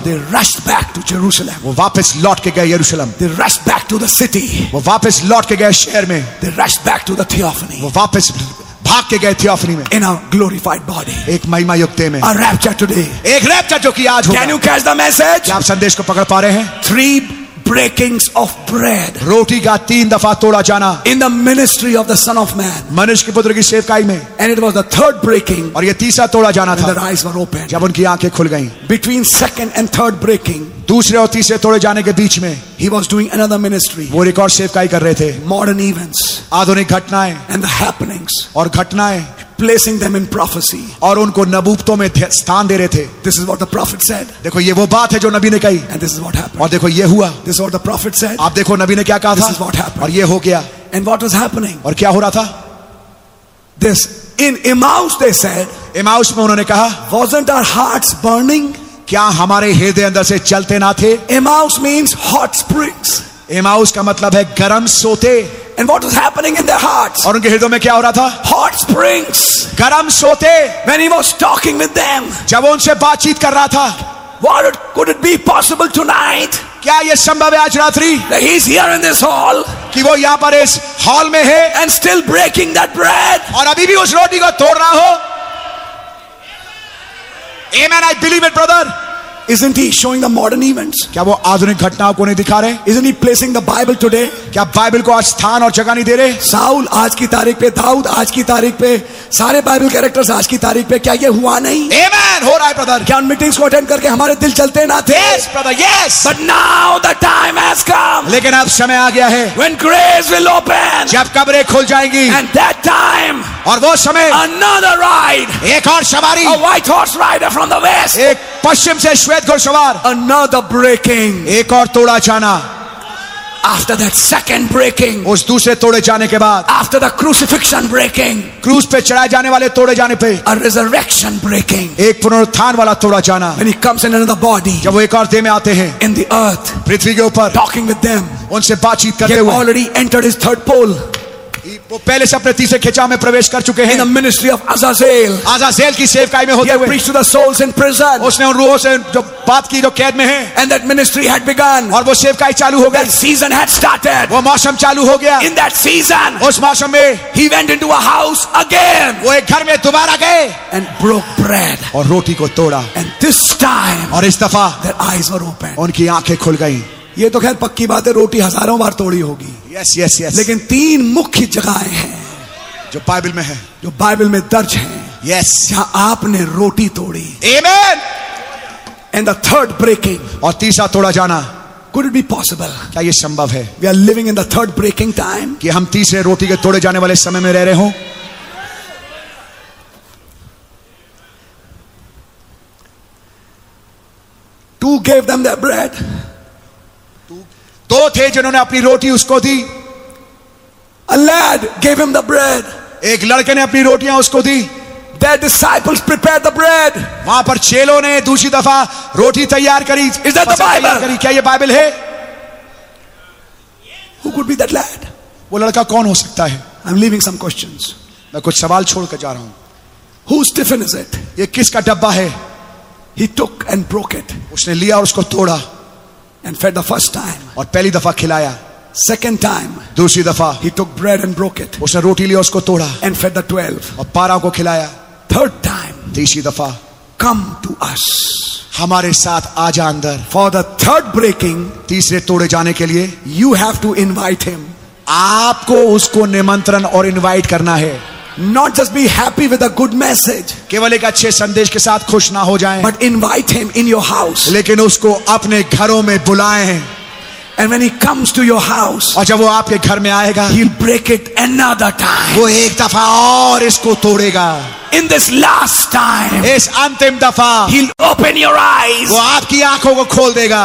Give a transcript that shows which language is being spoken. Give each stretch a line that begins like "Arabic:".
English: they rushed back to Jerusalem,
Hindi: वो वापस लौट के गए यरूशलम,
English: they rushed back to the city,
Hindi: वो वापस लौट के गए शहर में,
English: they rushed back to the theophany,
Hindi: वो वापस भाग के गए थियोफनी में.
English: In a glorified body.
Hindi: एक महिमा युग में.
English: A rapture today.
Hindi: एक रैप्चर जो कि आज होगा.
English: Can you catch the message?
Hindi: आप संदेश को पकड़ पा रहे हैं?
English: Three breakings of bread.
Hindi: रोटी का तीन दफा तोड़ा जाना.
English: In the ministry of the Son of Man.
Hindi: मनुष्य के पुत्र की सेवकाई में.
English: And it was the third breaking.
Hindi: और ये तीसरा तोड़ा जाना
English: when
Hindi: था.
English: Their eyes were opened.
Hindi: जब उनकी आंखें खुल गईं.
English: Between second and third breaking.
Hindi: दूसरे और तीसरे तोड़े जाने के बीच में.
English: He was doing another ministry.
Hindi: वो एक और सेवकाई कर रहे थे.
English: Modern events.
Hindi: आधुनिक घटनाएं.
English: And the happenings.
Hindi: और घटनाएं.
English: Placing them in prophecy.
Hindi: और उनको नबूवतों में स्थान दे रहे थे.
English: This is what the prophet said.
Hindi: देखो ये वो बात है जो नबी ने कही.
English: And this is what happened.
Hindi: और देखो ये हुआ.
English: This is what the prophet said.
Hindi: आप देखो नबी ने क्या कहा था.
English: This is what happened.
Hindi: और ये हो गया.
English: And what was happening?
Hindi: और क्या हो रहा था?
English: This in Emmaus they said.
Hindi: Emmaus में उन्होंने कहा.
English: Wasn't our hearts burning?
Hindi: क्या हमारे हृदय अंदर से चलते ना थे?
English: Emmaus means hot springs.
Hindi: Emmaus का मतलब है गर्म सोते.
English: And what was happening in their hearts?
Hindi: और उनके हृदयों में क्या हो रहा था?
English: Hot springs.
Hindi: गर्म सोते.
English: When he was talking with them.
Hindi: जब उनसे बातचीत कर रहा था.
English: What could it be possible tonight?
Hindi: क्या ये संभव है आज रात्रि?
English: That he's here in this hall.
Hindi: कि वो यहाँ पर इस हॉल में है.
English: And still breaking that bread.
Hindi: और अभी भी उस रोटी को तोड़ रहा हो?
English: Amen. I believe it, brother. Isn't he showing the modern events?
Hindi: क्या वो आधुनिक घटनाओं को नहीं दिखा रहे?
English: Isn't he placing the Bible today?
Hindi: क्या Bible को आज स्थान और जगह नहीं दे रहे? Saul आज की तारीख पे, दाऊद आज की तारीख पे, सारे Bible characters आज की तारीख पे, क्या ये हुआ नहीं? Amen. हो रहा है.
English: brother.
Hindi: क्या उन मीटिंग्स को अटेंड करके हमारे दिल चलते ना थे?
English: Yes, brother. Yes. But now the time has come.
Hindi: लेकिन अब समय आ गया है.
English: When grace will open.
Hindi: जब कब्रें खुल जाएंगी.
English: And that time.
Hindi: और वो समय.
English: Another ride.
Hindi: एक और सवारी.
English: A white horse rider from the west.
Hindi: एक पश्चिम से श्वेत घोड़सवार.
English: Another breaking.
Hindi: एक और तोड़ा जाना.
English: After that second breaking,
Hindi: उस दूसरे तोड़े जाने के बाद,
English: after the crucifixion breaking,
Hindi: क्रूस पे चढ़ाए जाने वाले तोड़े जाने पे,
English: a resurrection breaking,
Hindi: एक पुनरुत्थान वाला तोड़ा जाना,
English: when he comes in another body,
Hindi: जब वो एक और देह में आते हैं,
English: in the earth,
Hindi: पृथ्वी के ऊपर,
English: talking with them,
Hindi: उनसे बातचीत करते हुए,
English: he already entered his third pole.
Hindi: वो पहले से अपने तीसरे खिंचाव में प्रवेश कर चुके हैं.
English: In the ministry of Azazel,
Hindi: Azazel की सेवकाई में होते हुए,
English: preached to the souls in prison.
Hindi: उसने उन रूहों से जो बात की जो कैद में हैं.
English: And that ministry had begun.
Hindi: और वो सेवकाई चालू हो गया.
English: That season had started.
Hindi: वो मौसम चालू हो गया.
English: In that season,
Hindi: उस मौसम में,
English: he went into a house again.
Hindi: वो एक घर में दोबारा गए.
English: And broke bread.
Hindi: और रोटी को तोड़ा.
English: And this time,
Hindi: और इस दफा,
English: their eyes were open.
Hindi: उनकी आंखें खुल गई. ये तो खैर पक्की बात है, रोटी हजारों बार तोड़ी होगी.
English: Yes yes yes.
Hindi: लेकिन तीन मुख्य जगहें हैं जो बाइबल में है, जो बाइबल में दर्ज है.
English: Yes.
Hindi: जहां आपने रोटी तोड़ी. आमेन.
English: And the third breaking.
Hindi: और तीसरा तोड़ा जाना.
English: Could it be possible?
Hindi: क्या ये संभव है?
English: We are living in the third breaking time.
Hindi: कि हम तीसरे रोटी के तोड़े जाने वाले समय में रह रहे हो.
English: Two gave them their bread.
Hindi: दो थे जिन्होंने अपनी रोटी उसको दी.
English: A lad gave him the bread.
Hindi: एक लड़के ने अपनी रोटियां उसको दी.
English: Their disciples prepared the bread.
Hindi: वहां पर चेलों ने दूसरी दफा रोटी तैयार करी.
English: Is that the Bible?
Hindi: क्या ये बाइबल है?
English: Who could be that lad?
Hindi: वो लड़का कौन हो सकता है?
English: I'm leaving some questions.
Hindi: मैं कुछ सवाल छोड़कर जा रहा हूं.
English: Whose tiffin is it?
Hindi: ये किसका डब्बा है?
English: He took and broke it.
Hindi: उसने लिया और उसको तोड़ा.
English: And fed the first time.
Hindi: और पहली दफा खिलाया.
English: Second time.
Hindi: दूसरी दफा.
English: He took bread and broke it.
Hindi: उसने रोटी लिया उसको तोड़ा.
English: And fed the 12.
Hindi: और 12 को खिलाया.
English: Third time.
Hindi: तीसरी दफा.
English: Come to us.
Hindi: हमारे साथ आ जा अंदर.
English: For the third breaking.
Hindi: तीसरे तोड़े जाने के लिए.
English: You have to invite him.
Hindi: आपको उसको निमंत्रण और invite करना है.
English: Not just be happy with a good message.
Hindi: केवल एक अच्छे संदेश के साथ खुश ना हो जाएं.
English: But invite him in your house.
Hindi: लेकिन उसको अपने घरों में बुलाएं.
English: And when he comes to your house.
Hindi: और जब वो आपके घर में आएगा.
English: He'll break it another time.
Hindi: वो एक दफा और इसको तोड़ेगा.
English: In this last time.
Hindi: इस अंतिम दफा.
English: He'll open your eyes.
Hindi: वो आपकी आंखों को खोल देगा.